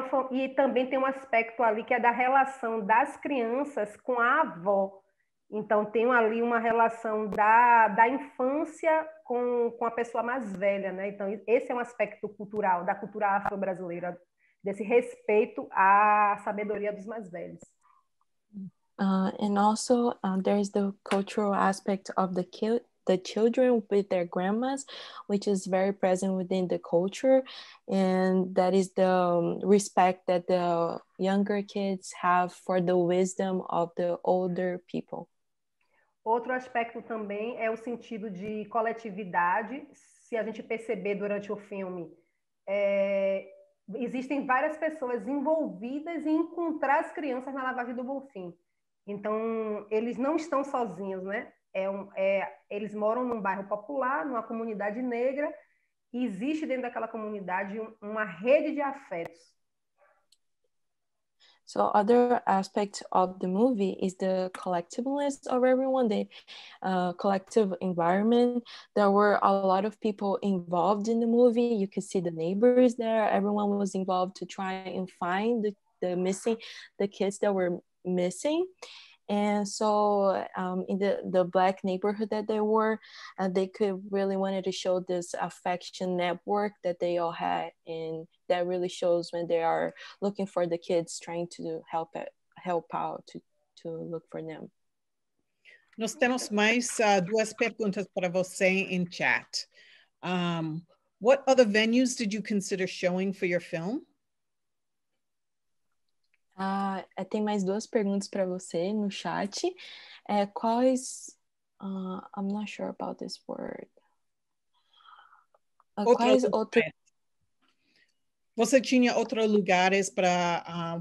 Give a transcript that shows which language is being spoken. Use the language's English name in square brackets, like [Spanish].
[Portuguese] E também tem um aspecto ali que é da relação das crianças com a avó. Então, tem ali uma relação da infância com a pessoa mais velha, né? Então, esse é um aspecto cultural, da cultura afro-brasileira, desse respeito à sabedoria dos mais velhos. And also, there is the cultural aspect of the children with their grandmas, which is very present within the culture, and that is the respect that the younger kids have for the wisdom of the older people. Outro aspecto também é o sentido de coletividade. Se a gente perceber durante o filme, existem várias pessoas envolvidas em encontrar as crianças na lavagem do Bonfim. Então, eles não estão sozinhos, né? Eles moram num bairro popular, numa comunidade negra, e existe dentro daquela comunidade uma rede de afetos. [English] So other aspect of the movie is the collectivism of everyone, the collective environment. There were a lot of people involved in the movie. You could see the neighbors there. Everyone was involved to try and find the kids that were missing. And so in the Black neighborhood that they were, they could really wanted to show this affection network that they all had. And that really shows when they are looking for the kids, trying to help out to look for them. [Portuguese] Nós temos mais duas perguntas para você em chat. [English] What other venues did you consider showing for your film? [Portuguese] Tem mais duas perguntas para você no chat. [English] I'm not sure about this word. [Portuguese] Você tinha outros lugares para...